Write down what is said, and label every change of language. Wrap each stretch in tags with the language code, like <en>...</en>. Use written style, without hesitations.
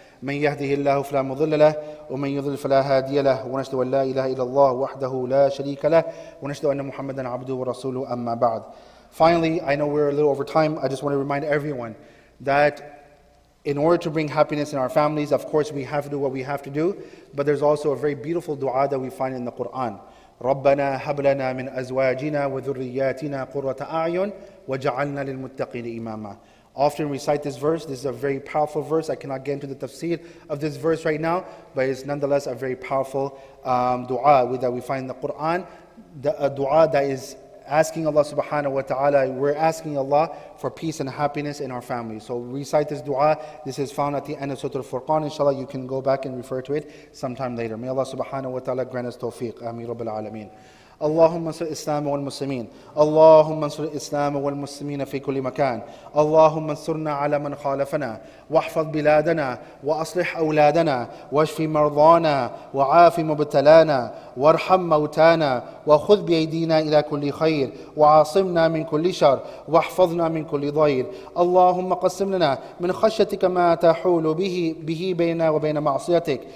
<ar>من يهده الله فلا مضل له ومن يضلل فلا هادي له ونشهد أن لا إله إلا الله وحده لا شريك له ونشهد أن محمدا عبده ورسوله أما بعد.</ar> <en>Finally, I know we're a little over time. I just want to remind everyone that in order to bring happiness in our families, of course we have to do what we have to do, but there's also a very beautiful dua that we find in the Quran.</en> <ar>ربنا هب لنا من أزواجنا وذرياتنا قرة أعين وجعلنا للمتقين إماما.</ar> <en>Often recite this verse. This is a very powerful verse. I cannot get into the tafsir of this verse right now, but it's nonetheless a very powerful dua that we find in the Quran. A dua that is asking Allah subhanahu wa ta'ala, we're asking Allah for peace and happiness in our family. So recite this dua. This is found at the end of Surah Al-Furqan. Inshallah, you can go back and refer to it sometime later. May Allah subhanahu wa ta'ala grant us tawfiq. Ameen Rabbil Alameen.</en> <ar>اللهم انصر الإسلام والمسلمين اللهم انصر الإسلام والمسلمين في كل مكان اللهم انصرنا على من خالفنا واحفظ بلادنا وأصلح أولادنا واشف مرضانا وعاف مبتلانا وارحم موتانا وخذ بأيدينا إلى كل خير وعاصمنا من كل شر واحفظنا من كل ضير اللهم قسم لنا من خشيتك ما تحول به بيننا وبين معصيتك</ar>